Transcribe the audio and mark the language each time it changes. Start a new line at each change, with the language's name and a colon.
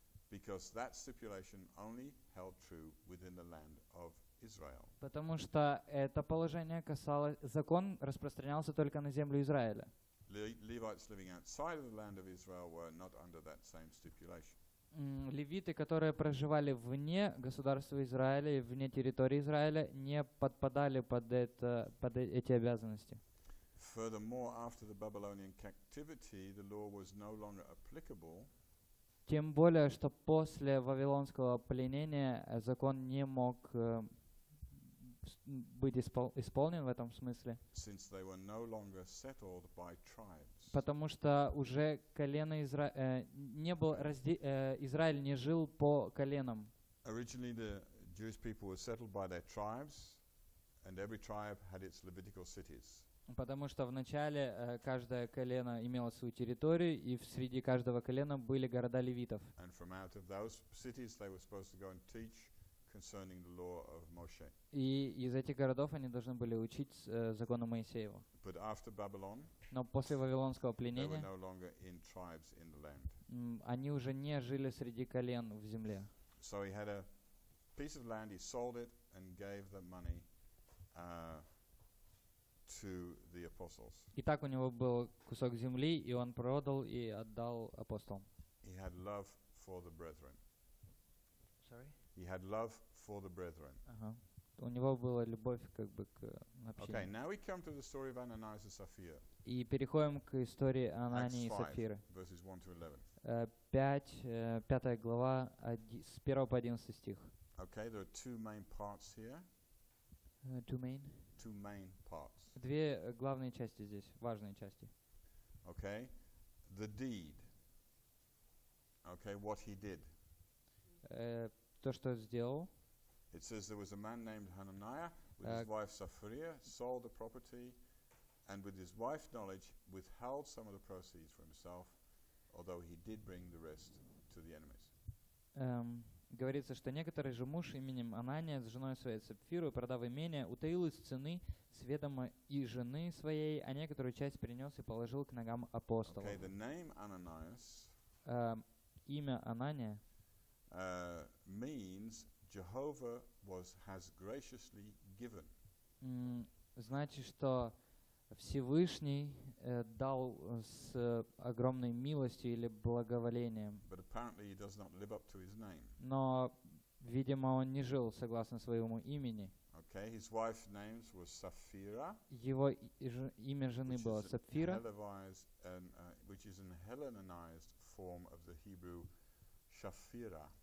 English: Because that stipulation only held true within the land of Israel.
Russian: Потому что это положение касалось, закон распространялся только на землю Израиля.
English: Levites living outside of the land of Israel were not under that same stipulation.
Russian: Левиты, которые проживали вне государства Израиля и вне территории Израиля, не подпадали под эти обязанности.
English: Furthermore, after the Babylonian captivity, the law was no longer applicable.
Russian: Тем более, что после вавилонского пленения закон не мог быть исполнен в этом смысле.
English: Since they were no longer settled by tribes.
Russian: Потому что уже колено Израиль не жил по коленам.
English: Originally the Jewish people were settled by their tribes, and every tribe had its Levitical cities.
Russian: Потому что вначале каждое колено имело свою территорию, и среди каждого колена были города левитов.
English: And from out of those cities they were supposed to go and teach concerning the law of Moshe.
Russian: И из этих городов они должны были учить закону Моисеева.
English: But after Babylon,
Russian: но после вавилонского пленения,
English: they were no longer in tribes in the land.
Russian: Они уже не жили среди колен в земле.
English: So he had a piece of land, he sold it and gave the money to the apostles.
Russian: И так у него был кусок земли, и он продал и отдал апостолам.
English: He had love for the brethren. Sorry? He had love for the brethren.
Russian: У него была любовь как бы к общине.
English: Okay, now we come to the story of Ananias and Sapphira.
Russian: И переходим к истории Анании
English: Acts
Russian: и Сапфиры.
English: Verses 1 to 11.
Russian: 5 глава с 1 по 11 стих.
English: Okay, there are two main parts here. Two main parts.
Russian: Две главные части здесь, важные части.
English: Okay. The deed. Okay, what he did.
Russian: То, что сделал.
English: It says there was a man named Hananiah with his wife Sapphira, sold the property and with his wife's knowledge withheld some of the proceeds for himself although he did bring the rest to the enemies.
Russian: Говорится, что некоторый же муж именем Анания с женой своей Сапфирой, продав имение, утаил из цены сведомо и жены своей, а некоторую часть принес и положил к ногам апостолов.
English: Okay, the name Ananias,
Russian: имя Анания,
English: means Jehovah was, has graciously given.
Russian: Значит, что Всевышний дал с огромной милостью или благоволением.
English: But apparently he does not live up to his name.
Russian: Но, видимо, он не жил согласно своему имени.
English: Okay, his wife's name was Sapphira.
Russian: Его имя жены было Сапфира,
English: which is an Hellenized form of the Hebrew Shaphira.